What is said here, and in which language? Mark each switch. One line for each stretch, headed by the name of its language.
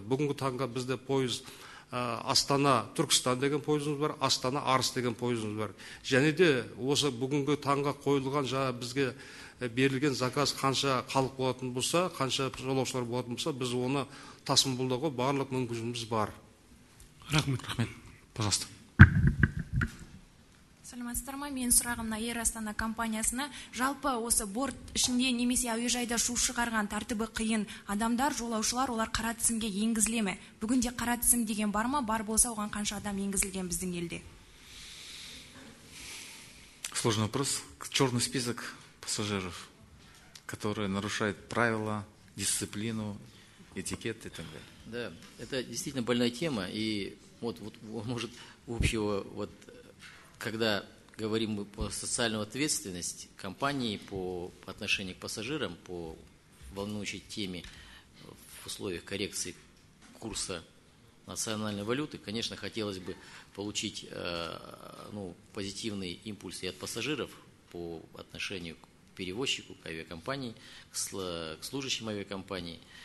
Kazakh: Бүгінгі таңға бізде пойыз Астана Түркістан деген пойызымыз бар, Астана Арыс деген пойызымыз бар. Және де осы бүгінгі таңға қойылған жаңа бізге берілген заказ қанша халық болатын болса, қанша жолаушылар болатын болса, біз оны тасымалдауға барлық мүмкіншілігіміз бар. Рахмет.
Russian: Пожалуйста.
Kazakh: Саламатсыздар ма? Менің сұрағым Air Astana компаниясына. Жалпы осы борт ішінде немесе әуежайда шу шығарған тәртібі қиын адамдар, жолаушылар, олар қара тізімге енгізіле ме? Бүгінде қара тізім деген бар ма? Бар болса, оған қанша адам енгізілген біздің елде?
Russian: Сложный вопрос. Черный список пассажиров, которые нарушают правила, дисциплину, этикеты и так далее. Да, это действительно больная тема. И вот может, общего, вот когда говорим мы по социальную ответственность компании по отношению к пассажирам, по волнующей теме в условиях коррекции курса национальной валюты, конечно, хотелось бы получить позитивный импульс и от пассажиров по отношению к перевозчику, к авиакомпании, к служащим авиакомпании.